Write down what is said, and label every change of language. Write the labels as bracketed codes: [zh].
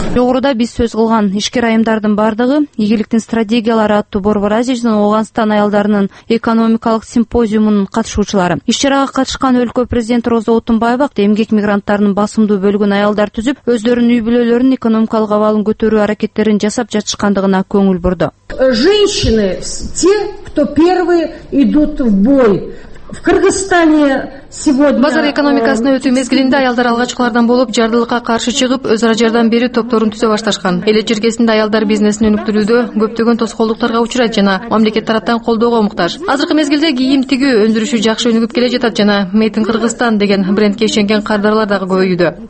[ky] Жогоруда биз сөз кылган ишкер айымдардын баардыгы ийгиликтин стратегиялары аттуу Борбор Азия Ооганстан аялдарынын экономикалык симпозиумунун катышуучулары. Иш чарага катышкан өлкө президенти Роза Отунбаева эмгек мигранттарынын басымдуу бөлүгүн аялдар түзүп, өздөрүнүн үй бүлөлөрүнүн экономикалык абалын көтөрүү аракеттерин жасап жатышкандыгына көңүл бурду. [ru] Женщины те, кто первые идут в бой. В Кыргызстане сегодня [ky] базар экономикасына өтүү мезгилинде аялдар алгачкылардан болуп жардылыкка каршы чыгып, өз ара жардам берүү топторун түзө башташкан. Эл жергесинде аялдар бизнесин өнүктүрүүдө көптөгөн тоскоолдуктарга учурайт жана мамлекет тараптан колдоого муктаж. Азыркы мезгилде кийим тигүү өндүрүшү жакшы өнүгүп келе жатат жана Made in Кыргызстан деген брендке ишенген кардарлар дагы көбөйүүдө.